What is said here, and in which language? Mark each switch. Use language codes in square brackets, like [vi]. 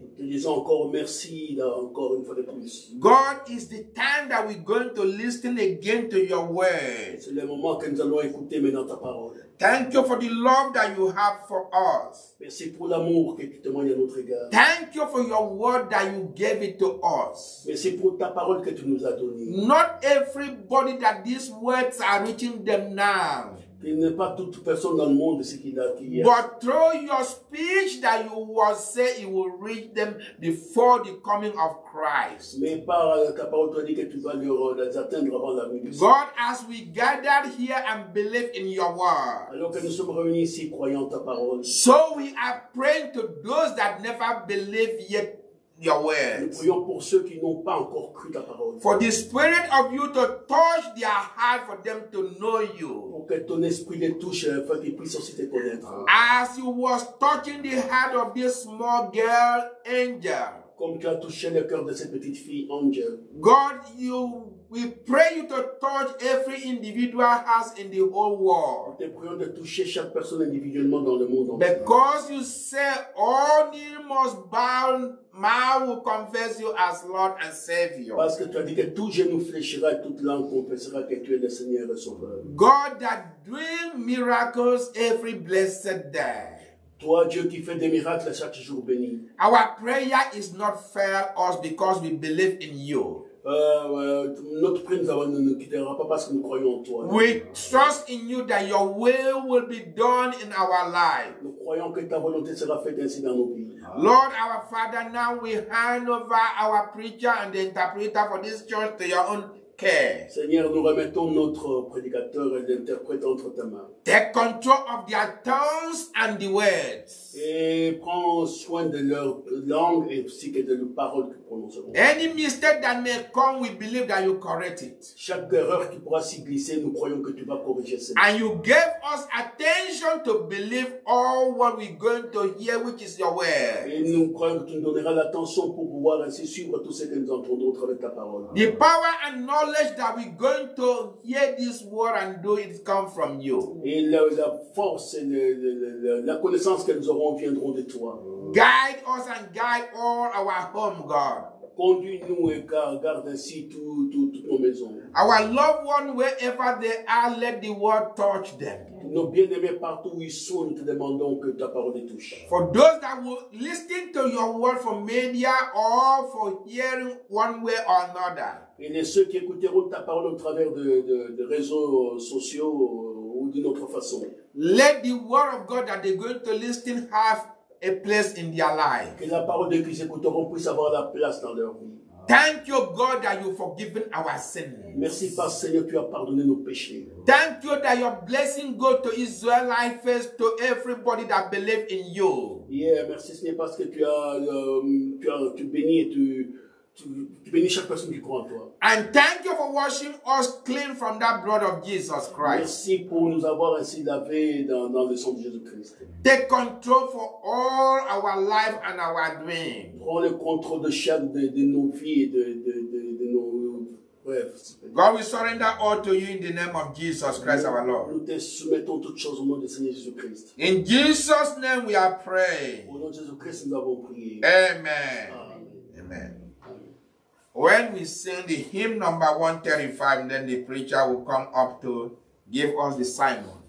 [fr] Nous te disons encore merci, encore une fois de plus. [en] God is the time that we're going to listen again to your word. [fr] C'est le moment que nous allons écouter maintenant ta parole. [en] Thank you for the love that you have for us. [fr] Merci pour l'amour que tu témoignes à notre égard. [en] Thank you for your word that you gave it to us. [fr] Merci pour ta parole que tu nous as donnée. [en] Not everybody that these words are reaching them now. [fr] Il n'est pas toute personne dans le monde ce qu'il a dit. [en] But through your speech that you will say it will reach them before the coming of Christ. [fr] Mais par ta parole tu as dit que tu vas les atteindre avant la venue. [en] God, as we gather here and believe in your word. [fr] Alors que nous sommes réunis ici croyant ta parole. [en] So we are praying to those that never believe yet your word. [fr] Nous prions pour ceux qui n'ont pas encore cru ta parole. [en] For the spirit of you to touch their heart for them to know you. [fr] Pour que ton esprit les touche afin qu'ils puissent aussi te connaître. [en] As you was touching the heart of this small girl angel. [fr] comme tu as touché le cœur de cette petite fille, Angel. [en] God, we pray you to touch every individual heart in the whole world. [fr] Nous te prions de toucher chaque personne individuellement dans le monde. [en] Because you say all knees must bow, man will confess you as Lord and Savior. [fr] Parce que tu as dit que tout genou fléchira, toute langue confessera que tu es le Seigneur et Sauveur. [en] God that doing miracles every blessed day. [fr] Toi, Dieu qui fait des miracles chaque jour béni. [en] Our prayer is not fail us because we believe in you. [fr] Notre prière ne nous quittera pas parce que nous croyons en toi. [en] We trust in you that your will be done in our life. [fr] Nous croyons que ta volonté sera faite ainsi dans nos vies. [en] Lord, our Father, now we hand over our preacher and the interpreter for this church to your own care. [fr] Seigneur, nous remettons notre prédicateur et l'interprète entre tes mains. [en] Take control of their tongues and the words. [fr] Et prends soin de leur langue et aussi que de la parole qu'ils prononceront. [en] Any mistake that may come, we believe that you correct it. [fr] Chaque erreur qui pourra s'y glisser, nous croyons que tu vas corriger ça. [en] And you gave us attention to believe all what we're going to hear, which is your word. [fr] Et nous croyons que tu nous donneras l'attention pour pouvoir ainsi suivre tout ce que nous entendons avec ta parole. [en] The power and knowledge that we're going to hear this word and do it come from you. [fr] Et la force et la connaissance que nous aurons viendront de toi. [en] Guide us and guide all our home, God. [fr] Conduis-nous et garde ainsi toutes nos maisons. [en] Our loved ones, wherever they are, let the word touch them. [fr] Nos bien-aimés partout où ils sont, nous te demandons que ta parole les touche. [en] For those that will listen to your word from media or for hearing one way or another. [fr] Et les ceux qui écouteront ta parole au travers de réseaux sociaux. D'une autre façon. [en] Let the word of God that they're going to listen have a place in their life. [fr] Que la parole de qu'ils écouteront puisse avoir la place dans leur vie. [en] Thank you, God, that you've forgiven our sins. [fr] Merci, Père Seigneur, tu as pardonné nos péchés. [en] Thank you that your blessing goes to Israelite first to everybody that believe in you. [fr] Yeah, merci Seigneur parce que tu bénis et tu bénis chaque personne qui croit en toi. [en] And thank you for washing us clean from that blood of Jesus Christ. [fr] Merci pour nous avoir ainsi lavé dans le sang de Jésus Christ. [en] Take control for all our life and our dream. [fr] Prends le contrôle de chaque de nos vies, de nos rêves. [en] God, we surrender all to you in the name of Jesus Christ, our Lord. [fr] Nous te soumettons toutes choses au nom de Seigneur Jésus Christ. [en] In Jesus' name we are praying. [fr] Au nom de Jésus Christ, nous avons prié. [en] Amen. Amen. When we sing the hymn number 135, then the preacher will come up to give us the sermon.